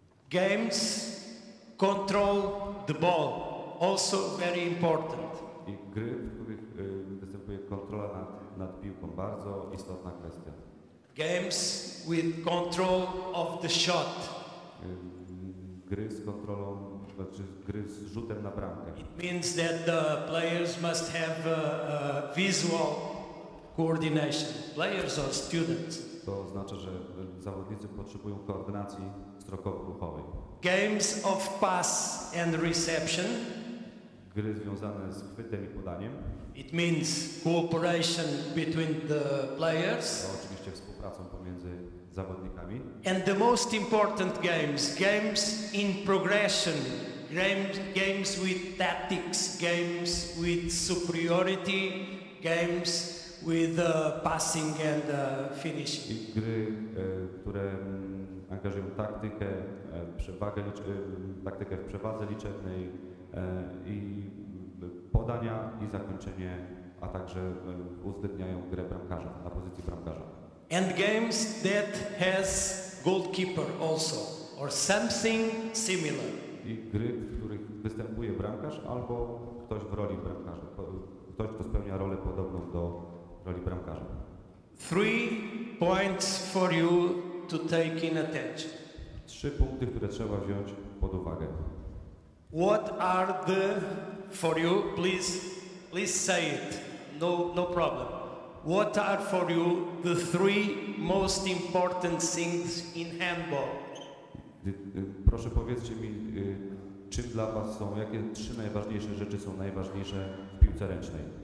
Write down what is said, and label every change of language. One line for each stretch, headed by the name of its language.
English: Games control the ball, also very important.
Polish: I gry, w których występuje kontrola nad piłką, bardzo istotna kwestia.
English: Games with control of the shot.
Polish: Gry z kontrolą, znaczy gry z rzutem na bramkę.
English: It means that the players must have a visual coordination, players or students.
Polish: To oznacza, że zawodnicy potrzebują koordynacji wzrokowo-ruchowej.
English: Games of pass and reception.
Polish: Gry związane z chwytem i podaniem.
English: It means cooperation between the players.
Polish: To oczywiście współpracą pomiędzy zawodnikami.
English: And the most important games in progression, games with tactics, games with superiority, games with passing and finishing.
Polish: I gry, które angażują taktykę, przewagę, taktykę w przewadze liczebnej i podania i zakończenie, a także uzgadniają grę bramkarza na pozycji bramkarza.
English: And games that has goalkeeper also or something similar.
Polish: I gry, w których występuje bramkarz albo ktoś w roli bramkarza, ktoś kto spełnia rolę podobną do roli bramkarza.
English: 3 points for you to take in attention.
Polish: 3 punkty, które trzeba wziąć pod uwagę.
English: What are the for you? Please say it. No problem. What are for you the 3 most important things in handball?
Polish: Proszę powiedzcie mi, czym dla was są, jakie 3 najważniejsze rzeczy są najważniejsze w piłce ręcznej?